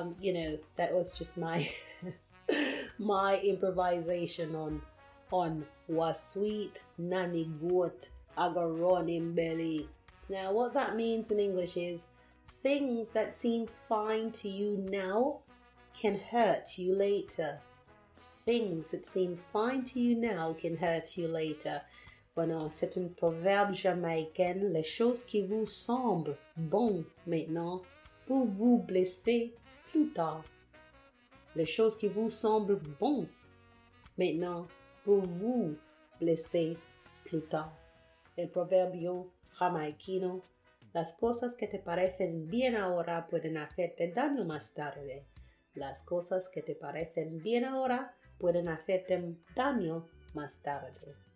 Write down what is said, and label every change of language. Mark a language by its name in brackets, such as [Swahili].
[English] You know, that was just my my improvisation on what sweet nanny goat a go running belly. Now, what that means in English is things that seem fine to you now can hurt you later. Things that seem fine to you now can hurt you later. [Spanish] Bueno, [French] c'est un proverbe jamaïcain. Les choses qui vous semblent bon maintenant peuvent vous blesser plus tard. Les choses qui vous semblent bon maintenant peuvent vous blesser plus tard. [Spanish] El proverbio jamaïquino. Las cosas que te parecen bien ahora pueden hacerte daño más tarde. Las cosas que te parecen bien ahora pueden hacerte daño más tarde.